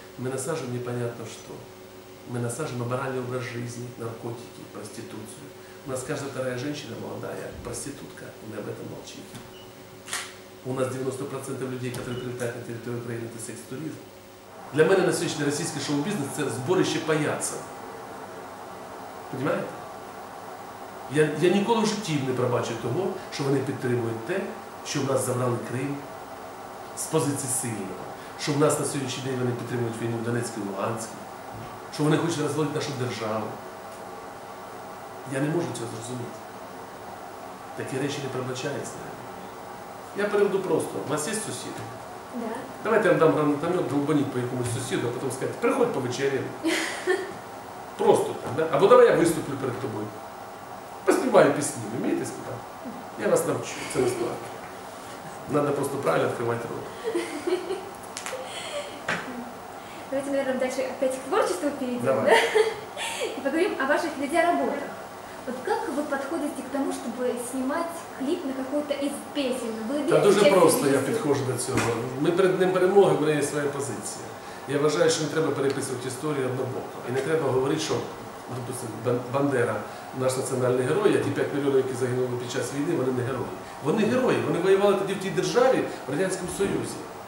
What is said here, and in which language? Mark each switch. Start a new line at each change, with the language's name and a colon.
Russian: Мы насаживаем непонятно что. Мы насаживаем аморальный образ жизни, наркотики, проституцию. У нас каждая вторая женщина молодая, проститутка, и мы об этом молчим. У нас 90% людей, которые прилетают на территорию Украины, это секс-туризм. Для меня насыщенный российский шоу-бизнес – это сборище паяцев. Понимаете?
Ukrainian: Я ніколи в житті не пробачу того, що вони підтримують те, що в нас забрали Крим з позиції сильного, що в нас на сьогоднішній день вони підтримують війну в Донецьку і Луганську, що вони хочуть розвалити нашу державу. Я не можу цього зрозуміти. Такі речі не пробачаються. Я приведу просто. У вас є сусід?
Russian: Да.
Ukrainian: Давайте я вам дам гранатомет, долбаніть по якомусь сусіду, а потім скажете, приходь по вечеряю. Просто так, да? Або давай я виступлю перед тобою. Поспіваю пісні, вмієте співати? Я вас навчу, це не складно.
Russian: Надо просто правильно
Ukrainian: відкривати рот.
Russian: Давайте, наверное, дальше опять к творчеству перейдем. Давай. Да? И поговорим о ваших медиа-работах. Вот как вы подходите к тому, чтобы снимать клип на какую-то из песен?
Ukrainian: Та дуже просто я підходжу до цього. Ми перед Днем Перемоги, у мене є своя позиція. Я вважаю, що не треба переписувати історію однобоко. І не треба говорити, що, допустимо, Бандера, наш національний герой, а ті 5 мільйонів, які загинули під час війни, вони не герої. Вони герої, вони воювали тоді в тій державі, в Радянському Союзі.